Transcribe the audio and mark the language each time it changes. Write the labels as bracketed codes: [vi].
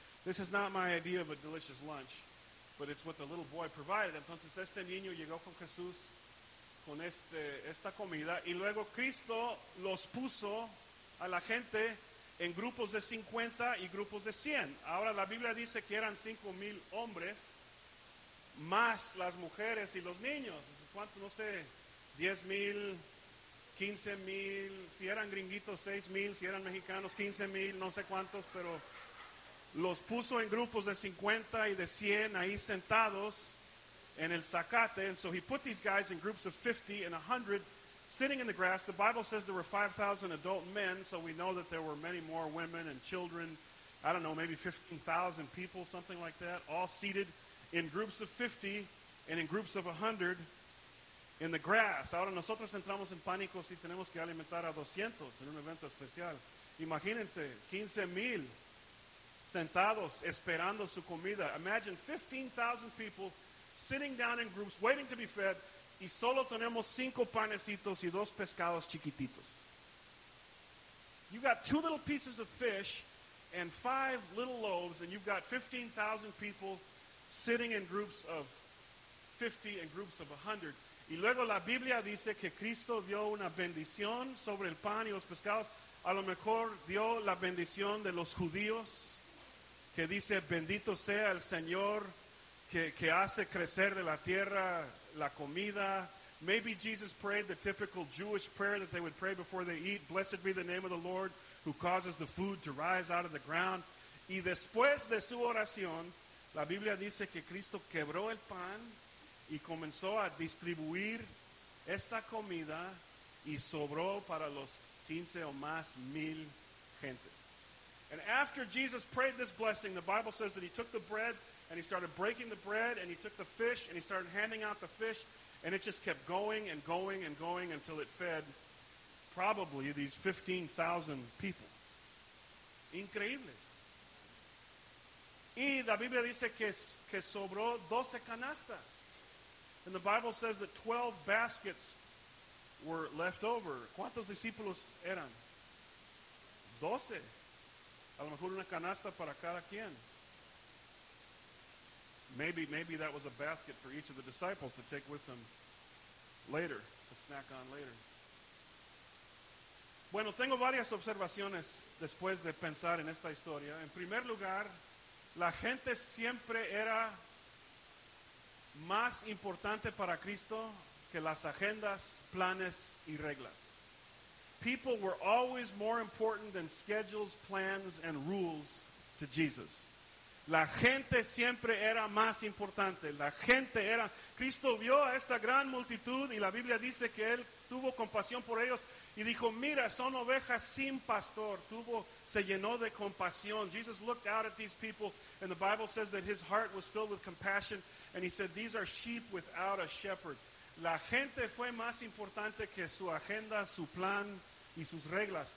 [en] This is not my idea of a delicious lunch, but it's what the little boy provided. [es] Entonces este niño llegó con Jesús con esta comida. Y luego Cristo los puso a la gente en grupos de 50 y grupos de 100. Ahora la Biblia dice que eran 5,000 hombres más las mujeres y los niños. ¿Cuánto? No sé, 10,000, 15,000, si eran gringuitos 6,000, si eran mexicanos 15,000, no sé cuántos, pero los puso en grupos de 50 y de 100 ahí sentados en el zacate. [en] And so he put these guys in groups of 50 and 100 sitting in the grass. The Bible says there were 5,000 adult men, so we know that there were many more women and children. I don't know, maybe 15,000 people, something like that, all seated in groups of 50 and in groups of 100 in the grass. [es] Ahora nosotros entramos en pánico si tenemos que alimentar a 200 en un evento especial. Imagínense, 15,000 sentados esperando su comida. [en] Imagine 15,000 people sitting down in groups waiting to be fed. [es] Y solo tenemos 5 panecitos y 2 pescados chiquititos. [en] You got 2 little pieces of fish and 5 little loaves, and you've got 15,000 people sitting in groups of 50 and groups of 100. [es] Y luego la Biblia dice que Cristo dio una bendición sobre el pan y los pescados. A lo mejor dio la bendición de los judíos, que dice, bendito sea el Señor que hace crecer de la tierra la comida, [en] Maybe Jesus prayed the typical Jewish prayer that they would pray before they eat. Blessed be the name of the Lord who causes the food to rise out of the ground. [es] Y después de su oración, la Biblia dice que Cristo quebró el pan y comenzó a distribuir esta comida y sobró para los 15 o más mil gentes. [en] And after Jesus prayed this blessing, the Bible says that he took the bread and he started breaking the bread and he took the fish and he started handing out the fish. And it just kept going and going and going until it fed probably these 15,000 people. [es] Increíble. Y la Biblia dice que sobró 12 canastas. [en] And the Bible says that 12 baskets were left over. [es] ¿Cuántos discípulos eran? 12. A lo mejor una canasta para cada quien. [en] Maybe that was a basket for each of the disciples to take with them later, to snack on later. [es] Bueno, tengo varias observaciones después de pensar en esta historia. En primer lugar, la gente siempre era más importante para Cristo que las agendas, planes y reglas. [en] People were always more important than schedules, plans, and rules to Jesus. [es] La gente siempre era más importante. La gente era... Cristo vio a esta gran multitud y la Biblia dice que Él tuvo compasión por ellos y dijo, mira, son ovejas sin pastor. Se llenó de compasión. [en] Jesus looked out at these people and the Bible says that his heart was filled with compassion and he said, these are sheep without a shepherd. [es] La gente fue más importante que su agenda, su plan y sus reglas.